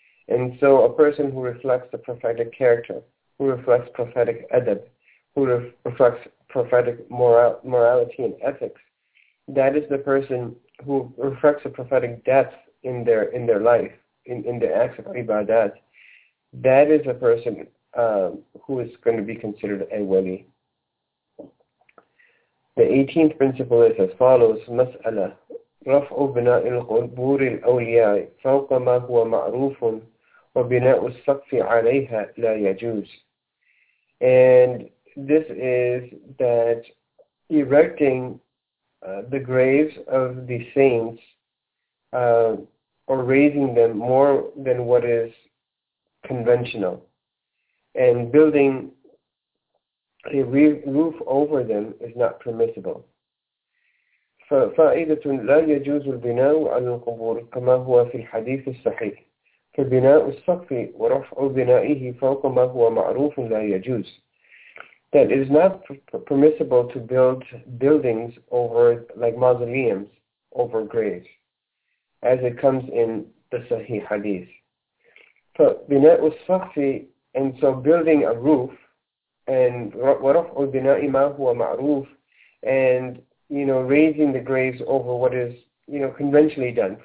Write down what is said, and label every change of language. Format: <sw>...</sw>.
<en>And so a person who reflects the prophetic character, who reflects prophetic adab, who reflects prophetic morality and ethics, that is the person who reflects a prophetic depth in their life, in the acts of ibadat. That is a person who is going to be considered a wali. The 18th principle is as follows:</en> <ar>مسألة رفع بناء القبور الأولياء فوق ما هو معروف وبناء السقف عليها لا يجوز.</ar> <en>And this is that erecting the graves of the saints or raising them more than what is conventional and building a roof over them is not permissible.</en> <ar>فائدة لا يجوز البناء على القبور كما هو في الحديث الصحيح فبناء السقف ورفع بنائه فوق ما هو معروف لا يجوز.</ar> <en>That it is not permissible to build buildings over, like mausoleums, over graves, as it comes in the Sahih Hadith. So,</en> <ar>بِنَاءُ السَّقْفِ,</ar> <en>and so building a roof, and</en> <ar>وَرَفْعُ الْبِنَاءِ مَا هُوَ مَعْرُوفٌ,</ar> <en>and, you know, raising the graves over what is, you know, conventionally done.</en>